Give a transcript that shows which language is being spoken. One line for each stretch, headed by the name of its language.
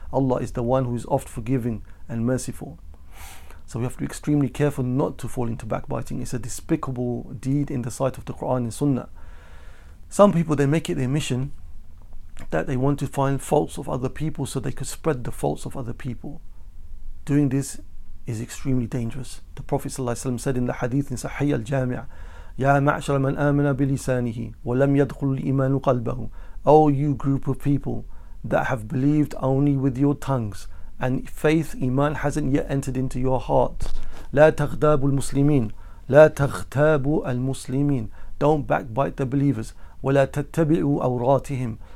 English: Allah is the one who is oft forgiving and merciful. So we have to be extremely careful not to fall into backbiting. It's a despicable deed in the sight of the Quran and Sunnah. Some people, they make it their mission that they want to find faults of other people so they could spread the faults of other people. Doing this is extremely dangerous. The Prophet ﷺ said in the hadith in Sahih al-Jami'
Arabic: يَا مَعْشَرَ مَنْ آمَنَ بِلِسَانِهِ وَلَمْ يَدْخُلُ الْإِيمَانُ قَلْبَهُ.
English: Oh, you group of people that have believed only with your tongues and faith, iman, hasn't yet entered into your heart.
Arabic: لَا تَغْتَابُ الْمُسْلِمِينَ. لَا تَغْتَابُ الْمُسْلِمِينَ.
English: Don't backbite the believers.
Arabic: وَلَا تَتَّبِعُوا أَوْرَاتِهِمْ.